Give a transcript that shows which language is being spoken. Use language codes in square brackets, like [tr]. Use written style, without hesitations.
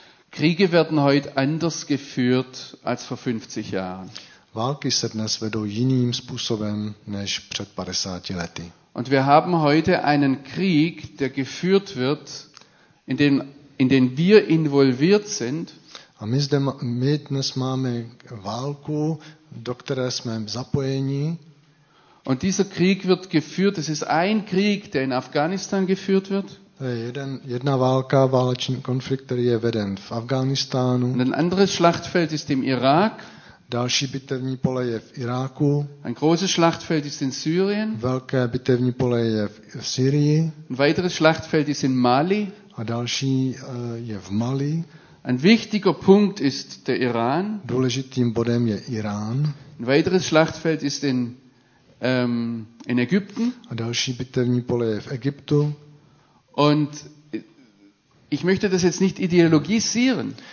[de] Kriege werden heute anders geführt als vor 50 Jahren. [cs] Války se dnes vedou jiným způsobem než před 50 lety. [de] Und wir haben heute einen Krieg, der geführt wird, in den wir involviert sind. [cs] A my dnes máme válku, do které jsme zapojeni. [de] Und dieser Krieg wird geführt, es ist ein Krieg, der in Afghanistan geführt wird. [cs] Jedna válka, válečný konflikt, který je veden v Afghánistánu. [de] Ein anderes Schlachtfeld ist im Irak. [cs] Další bitevní pole je v Iráku. [de] Ein großes Schlachtfeld ist in Syrien. [cs] Velké bitevní pole je v Syrii. [de] Ein weiteres Schlachtfeld ist in Mali. [cs] A další je v Mali. [de] Ein wichtiger Punkt ist der Iran. [cs] Důležitým bodem je Irán. [de] Ein weiteres Schlachtfeld ist in Ägypten. [cs] A další bitevní pole je v Egyptu. [de] Und ich möchte das jetzt nicht ideologisieren.